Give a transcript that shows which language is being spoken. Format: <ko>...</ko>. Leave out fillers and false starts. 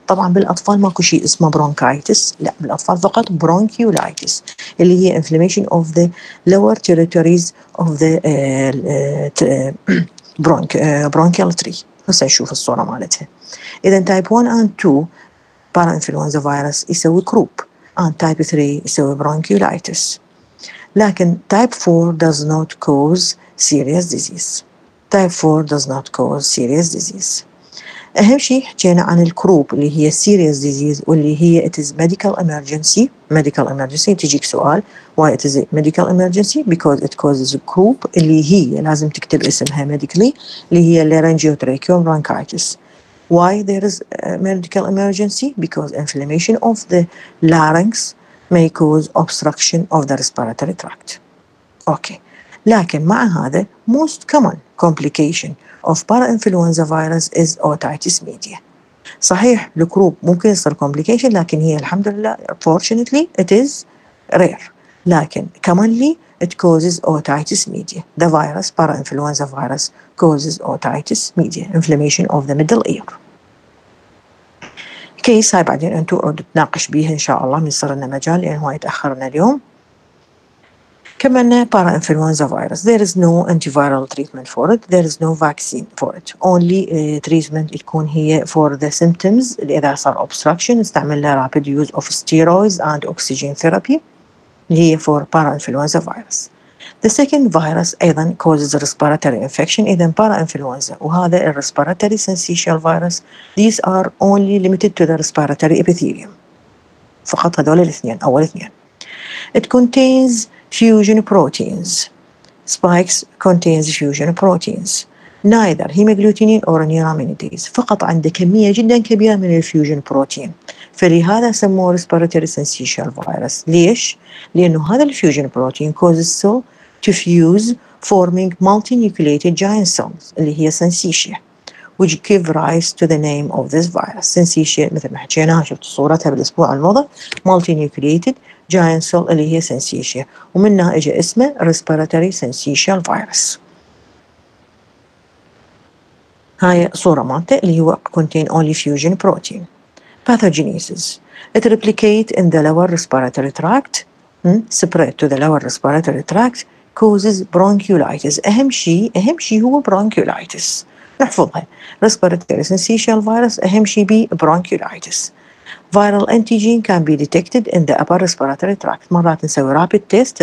<ar>طبعا بالاطفال ماكو شيء اسمه برونكايتس، لا بالاطفال فقط برونكيولايتس اللي هي</ar> <en>Inflammation of the lower territories of the bronchial tree.</en> <ar>هسه نشوف الصوره مالتها.</ar> <en>اذا type 1 and 2 parainfluenza virus يسوي croup, and type 3 يسوي برونكيولايتس، لكن type 4 does not cause serious disease. Type 4 does not cause serious disease.</en> <ar>أهم شيء حكينا عن الكروب اللي هي</ar> <en>serious disease</en> <ar>واللي هي</ar> <en>it is medical emergency. Medical emergency</en> <ar>تجيك سؤال</ar> <en>why it is a medical emergency because it causes a croup</en> <ar>اللي هي لازم تكتب اسمها</ar> <en>medically اللي هي laryngeotracheal bronchitis. Why there is a medical emergency because inflammation of the larynx may cause obstruction of the respiratory tract. Okay.</en> <ar>لكن مع هذا</ar> <en>most common complication of parainfluenza virus is otitis media.</en> <ar>صحيح الكروب ممكن يصير complication لكن هي الحمد لله</ar> <en>fortunately it is rare.</en> <ar>لكن</ar> <en>commonly it causes otitis media. The virus parainfluenza virus causes otitis media, inflammation of the middle ear.</en> <ar>كيس هاي بعدين انتو قد تناقش بيها ان شاء الله من صرنا مجال لان هو يتأخرنا اليوم.</ar> <en>كمان parainfluenza virus there is no antiviral treatment for it, there is no vaccine for it, only treatment</en> <ar>يكون هي</ar> <en>for the symptoms</en> <ar>اذا صار</ar> <en>obstruction</en> <ar>استعمل</ar> <en>rapid use of steroids and oxygen therapy اللي هي for parainfluenza virus. The second virus ايضا causes respiratory infection اذا parainfluenza وهذا respiratory syncytial virus these are only limited to the respiratory epithelium</en> <ar>فقط هذول الاثنين اول اثنين.</ar> <en>It contains fusion proteins. Spikes contains fusion proteins. Neither hemagglutinin or neuraminidase.</en> <ar>فقط عنده كمية جدا كبيرة من الفيوجن بروتين. فلهذا سموه</ar> <en>respiratory syncytial virus.</en> <ar>ليش؟ لأنه هذا الفيوجن بروتين</ar> <en>causes cell to fuse forming multinucleated giant cells اللي هي syncytia which give rise to the name of this virus.</en> <ar>Syncytia مثل ما حكينا شفت صورتها بالأسبوع الماضي</ar> <en>multinucleated giant cell</en> <ar>اللي هي syncytia ومنها اجى اسمه respiratory syncytial virus. هاي صورة مالته اللي هو</ar> <en>contain only fusion protein. Pathogenesis it replicate in the lower respiratory tract, spread to the lower respiratory tract, causes bronchiolitis.</en> <ar>اهم شيء هو</ar> <en>bronchiolitis</en> <ar>نحفظها.</ar> <en>Respiratory syncytial virus</en> <ar>اهم شيء بي</ar> <en>bronchiolitis. Viral antigen can be detected in the upper respiratory tract.</en> <ar>مرات نسوي rapid test.</ar>